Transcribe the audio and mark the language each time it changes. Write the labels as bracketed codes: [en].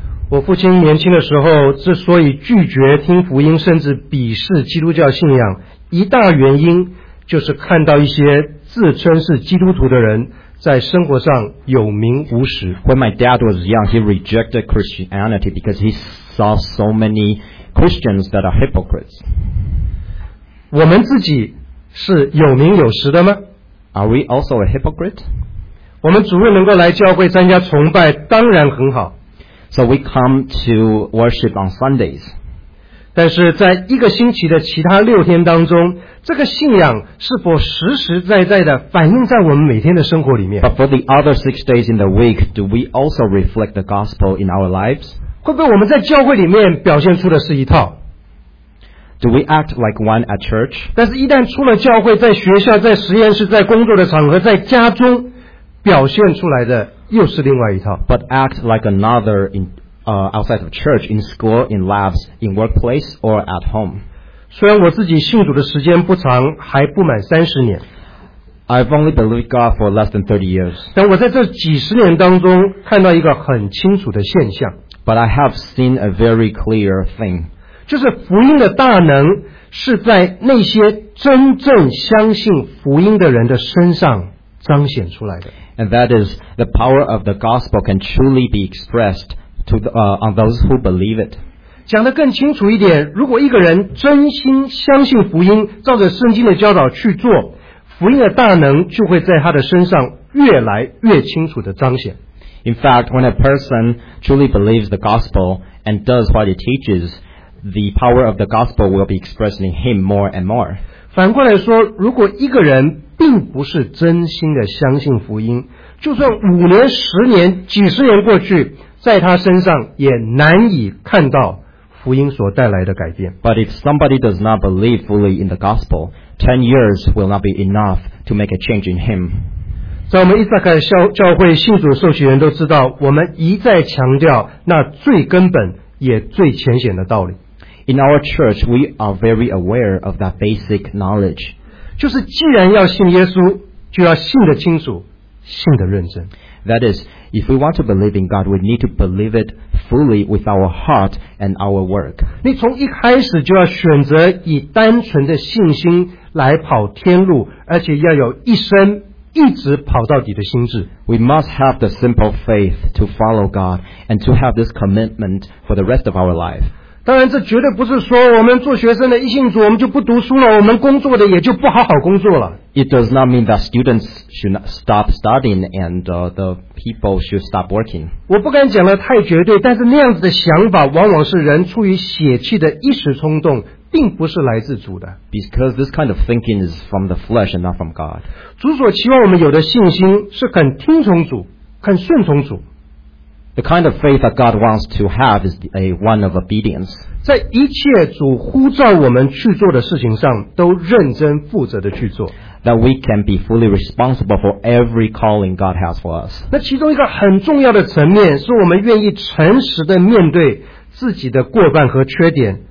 [zh] 我父亲年轻的时候之所以拒绝听福音，甚至鄙视基督教信仰，一大原因就是看到一些自称是基督徒的人在生活上有名无实。 [en] When my dad was young, he rejected Christianity because he saw so many Christians that are hypocrites. [zh] 我们自己是有名有实的吗？ [en] Are we also a hypocrite? [zh] 我们主日能够来教会参加崇拜当然很好。 [en] So we come to worship on Sundays. [zh] 但是在一个星期的其他六天当中，这个信仰是否实实在在的反映在我们每天的生活里面？ [en] But for the other six days in the week, do we also reflect the gospel in our lives? [zh] 会不会我们在教会里面表现出的是一套？ [en] Do we act like one at church? [zh] 但是一旦出了教会，在学校，在实验室，在工作的场合，在家中，表现出来的又是另外一套。 [en] But act like another in, outside of church, in school, in labs, in workplace, or at home. [zh] 虽然我自己信主的时间不长，还不满三十年。 [en] I've only believed God for less than 30 years. [zh] 但我在这几十年当中看到一个很清楚的现象。 [en] But I have seen a very clear thing. [zh] 就是福音的大能是在那些真正相信福音的人的身上彰显出来的。 [en] And that is the power of the gospel can truly be expressed to the, on those who believe it. [zh] 讲得更清楚一点，如果一个人真心相信福音，照着圣经的教导去做，福音的大能就会在他的身上越来越清楚地彰显。 [en] In fact, when a person truly believes the gospel and does what it teaches,The power of the gospel will be expressed in him more and more. [zh] 反过来说，如果一个人并不是真心的相信福音，就算五年、十年、几十年过去，在他身上也难以看到福音所带来的改变。 [en] But if somebody does not believe fully in the gospel, 10 years will not be enough to make a change in him. [zh] 在我们伊萨克教会信主受洗人都知道，我们一再强调那最根本。也最浅显的道理。 [en] In our church, we are very aware of that basic knowledge. [zh] 就是既然要信耶稣，就要信得清楚，信得认真。 [en] That is, if we want to believe in God, we need to believe it fully with our heart and our work. [zh] 你从一开始就要选择以单纯的信心来跑天路，而且要有一生一直跑到底的心智。 [en] We must have the simple faith to follow God and to have this commitment for the rest of our life. [zh] 当然，这绝对不是说我们做学生的一信主我们就不读书了，我们工作的也就不好好工作了。 [en] It does not mean that students should not stop studying and the people should stop working. [zh] 我不敢讲得太绝对，但是那样子的想法往往是人出于血气的一时冲动。并不是来自主的。 [en] Because this kind of thinking is from the flesh and not from God. [zh] 主所期望我们有的信心是肯听从主，肯顺从主。 [en] The kind of faith that God wants to have is a one of obedience. [zh] 在一切主呼召我们去做的事情上，都认真负责地去做。 [en] That we can be fully responsible for every calling God has for us. [zh] 那其中一个很重要的层面，是我们愿意诚实地面对自己的过半和缺点。